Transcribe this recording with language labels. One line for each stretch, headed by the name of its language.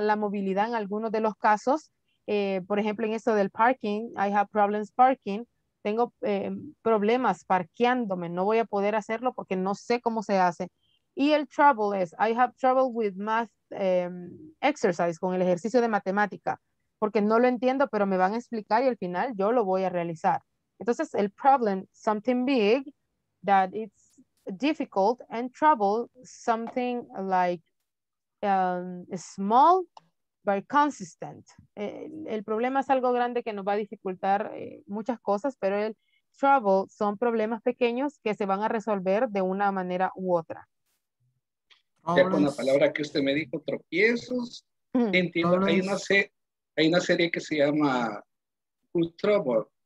Spanish: La movilidad en algunos de los casos. Por ejemplo, en eso del parking, I have problems parking. Tengo problemas parqueándome. No voy a poder hacerlo porque no sé cómo se hace. Y el trouble es, I have trouble with math exercise, con el ejercicio de matemática. Porque no lo entiendo, pero me van a explicar y al final yo lo voy a realizar.
English: Entonces, el problem, something big, that it's difficult, and trouble, something like small, but consistent.
Spanish: El problema es algo grande que nos va a dificultar muchas cosas, pero el trouble son problemas pequeños que se van a resolver de una manera u otra. Ya con la palabra que usted me dijo, tropiezos, entiendo que hay una serie que se llama Good Trouble.